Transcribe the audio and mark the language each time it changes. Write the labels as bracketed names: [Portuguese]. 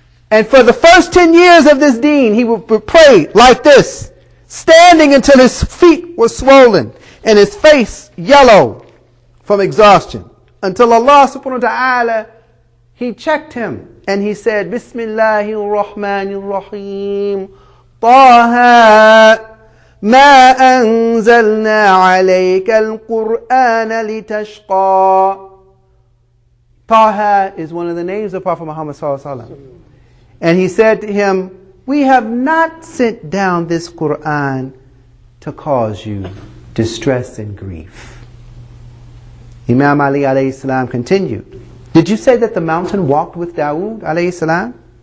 [English] And for the first 10 years of this deen, he would pray like this, standing until his feet were swollen and his face yellow from exhaustion, until Allah subhanahu wa ta'ala, he checked him and he said, [Arabic] Bismillahir Rahmanir Rahim, [English] Taha. [Arabic] ما أنزلنا عليك القرآن لتشقى. [English] Taha is one of the names of Prophet Muhammad sallallahu alaihi wasallam. And he said to him, we have not sent down this Quran to cause you distress and grief. Imam Ali alayhi salam continued, did you say that the mountain walked with Dawood alayhi salam?